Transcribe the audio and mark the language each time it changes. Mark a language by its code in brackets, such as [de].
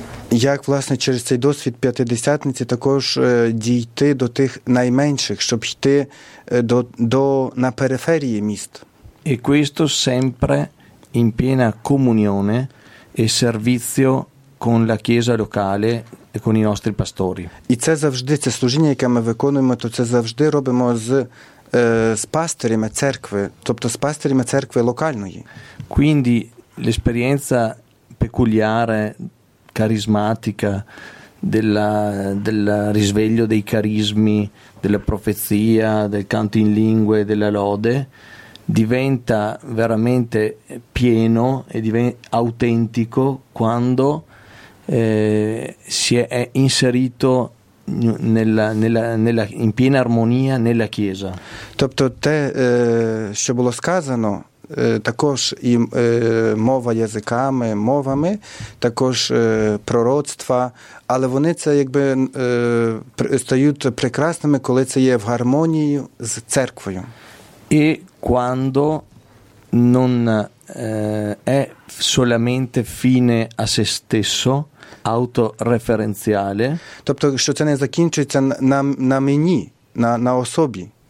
[uk] Як, власне, через цей досвід п'ятидесятниці також дійти до тих найменших, щоб йти до на периферії міст. [it] E questo sempre in piena comunione e servizio con la chiesa locale e con i nostri pastori. [uk] І це завжди, це служіння, яке ми виконуємо, то це завжди робимо з пастирями церкви, тобто з пастирами церкви локальної. [it] Quindi l'esperienza peculiare carismatica del risveglio dei carismi, della profezia, del canto in lingue, della lode, diventa veramente pieno e autentico quando si è inserito nella in piena armonia nella Chiesa. [uk] Тобто те, що було сказано, також і мова язиками, мовами, також пророцтва, але вони це якби стають прекрасними, коли це є в гармонії з церквою. [it] E quando non è solamente fine a se stesso, autoreferenziale. [uk] Тобто, що це не закінчується на мені, на особі.